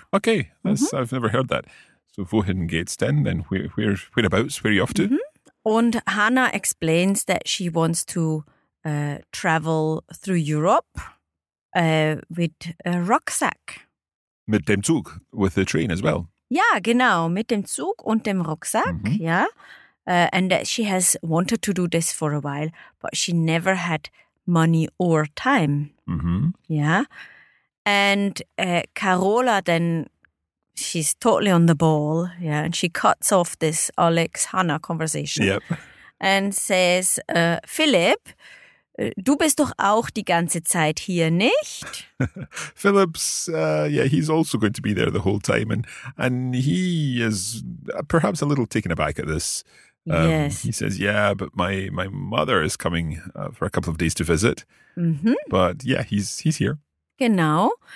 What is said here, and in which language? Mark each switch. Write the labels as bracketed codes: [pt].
[en] Okay, mm-hmm. I've never heard that. So [de] wohin geht's denn? [en] Then whereabouts, where are you off to? Mm-hmm. And Hannah explains that she wants to travel through Europe with a rucksack. [de] Mit dem Zug, [en] with the train as well. [de] Ja, genau, mit dem Zug und dem Rucksack, mm-hmm. ja. [en] And that she has wanted to do this for a while, but she never had money or time. Mm-hmm. Ja. And Carola then she's totally on the ball, yeah, and she cuts off this Alex Hannah conversation. Yep. And says, [de] Philip, du bist doch auch die ganze Zeit hier, nicht? [en] Philip's, yeah, he's also going to be there the whole time. And he is perhaps a little taken aback at this. Yes. He says, yeah, but my mother is coming for a couple of days to visit. Mm-hmm. But yeah, he's here. [de] Genau.